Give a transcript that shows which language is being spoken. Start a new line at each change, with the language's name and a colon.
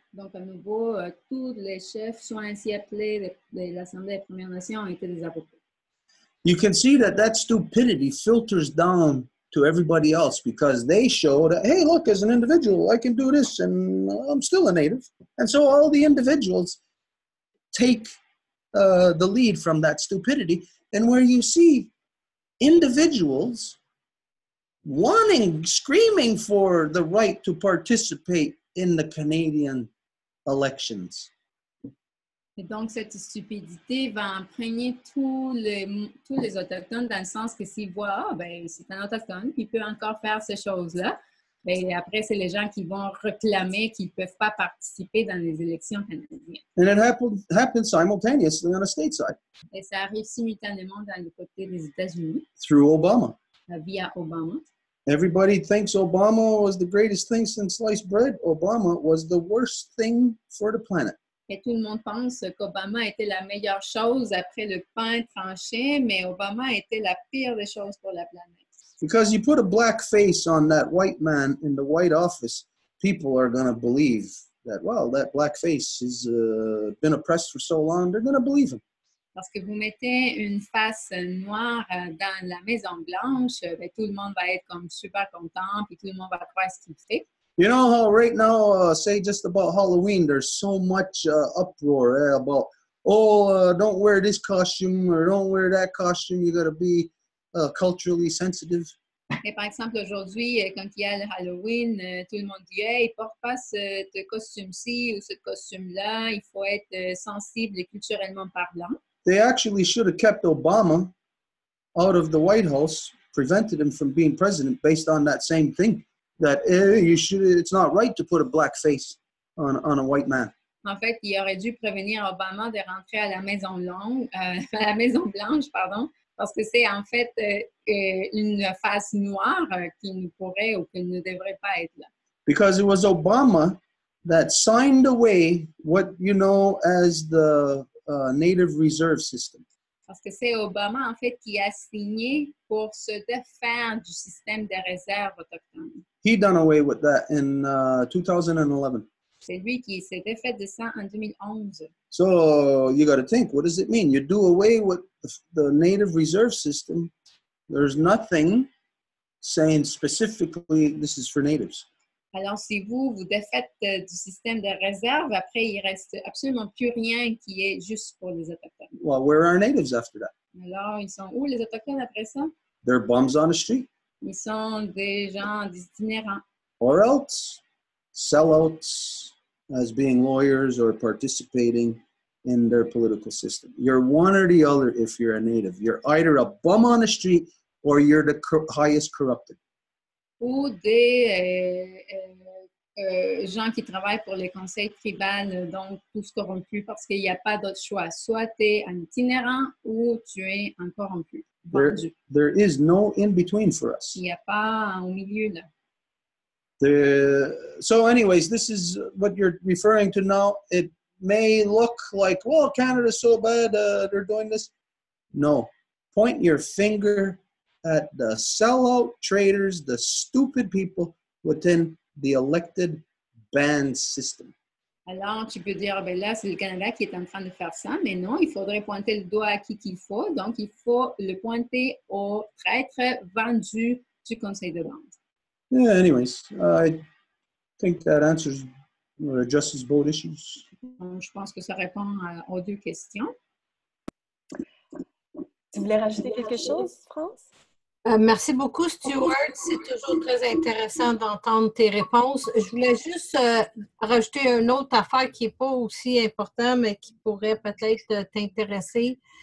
French: Donc à nouveau, tous les chefs sont ainsi appelés de l'Assemblée des Premières Nations étaient des avocats.
English: You can see that that stupidity filters down to everybody else because they show that, hey, look, as an individual, I can do this and I'm still a native. And so all the individuals take the lead from that stupidity. And where you see individuals wanting, screaming for the right to participate in the Canadian elections.
French: Et donc, cette stupidité va imprégner tous les autochtones dans le sens que s'ils voient, ah, oh, ben, c'est un autochtone qui peut encore faire ces choses-là, ben, après, c'est les gens qui vont réclamer qu'ils ne peuvent pas participer dans les élections canadiennes.
English: And it happens simultaneously on the stateside.
French: Et ça arrive simultanément dans le côté des États-Unis.
English: Through Obama.
French: Via Obama.
English: Everybody thinks Obama was the greatest thing since sliced bread. Obama was the worst thing for the planet.
French: Et tout le monde pense qu'Obama était la meilleure chose après le pain tranché, mais Obama était la pire des choses pour la planète.
English: Because you put a black face on that white man in the White Office, people are going to believe that, well, that black face has been oppressed for so long, they're going to believe him.
French: Parce que vous mettez une face noire dans la Maison Blanche, ben tout le monde va être comme super content, puis tout le monde va croire ce qu'il fait.
English: You know how right now, say just about Halloween, there's so much uproar about, oh, don't wear this costume or don't wear that costume, you gotta be culturally sensitive.
French: Et par exemple, aujourd'hui, quand il y a le Halloween, tout le monde dit, hey, porte pas ce costume-ci ou ce costume-là, il faut être sensible culturellement parlant.
English: They actually should have kept Obama out of the White House, prevented him from being president based on that same thing. That it's not right to put a black face on a white man.
French: En fait, il aurait dû prévenir Obama de rentrer à la Maison Longue, à la Maison Blanche, pardon, parce que c'est en fait une face noire qui ne pourrait ou qui ne devrait pas être là.
English: Because it was Obama that signed away what you know as the Native Reserve System.
French: Parce que c'est Obama, en fait, qui a signé pour se défaire du système de réserve autochtone.
English: He done away with that in 2011.
French: C'est lui qui s'est défait de ça en 2011.
English: So you got to think, what does it mean? You do away with the Native Reserve System. There's nothing saying specifically this is for Natives.
French: Alors si vous défaites du système de réserve, après il reste absolument plus rien qui est juste pour les autochtones.
English: Well, where are Natives after that?
French: Alors ils sont où les autochtones après ça?
English: They're bums on the street.
French: Ils sont des gens itinérants.
English: Or else, sellouts as being lawyers or participating in their political system. You're one or the other if you're a native. You're either a bum on the street or you're the highest corrupted.
French: Ou des gens qui travaillent pour les conseils tribales, donc tous corrompus, parce qu'il n'y a pas d'autre choix. Soit tu es un itinérant ou tu es un corrompu.
English: There is no in-between for us.
French: Il n'y a pas un milieu là.
English: So anyways, this is what you're referring to now. It may look like, well, Canada's so bad, they're doing this. No. Point your finger at the sellout traders, the stupid people within the elected band system.
French: Alors, tu peux dire, ben là, c'est le Canada qui est en train de faire ça, mais non, il faudrait pointer le doigt à qui qu'il faut. Donc, il faut le pointer au traître vendu du Conseil de vente.
English: Yeah, anyways, I think that answers justice board issues.
French: Je pense que ça répond aux deux questions. Tu voulais rajouter quelque chose, France? Merci beaucoup, Stuart. C'est toujours très intéressant d'entendre tes réponses. Je voulais juste rajouter une autre affaire qui n'est pas aussi importante, mais qui pourrait peut-être t'intéresser.